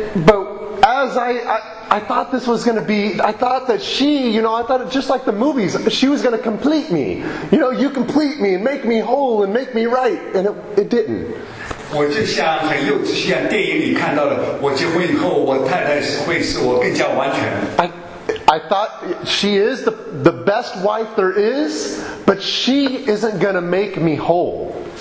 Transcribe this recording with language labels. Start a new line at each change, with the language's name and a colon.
English: but as I thought this was going to be, I thought that she, you know, I thought it just like the movies, she was going to complete me. You know, you complete me and make me whole and make me right, and it didn't.
Chinese: 我就像很幼稚，像电影里看到的，我结婚以后，我太太会使我更加完全。
English: I thought she is the best wife there is, but she isn't going to make me whole.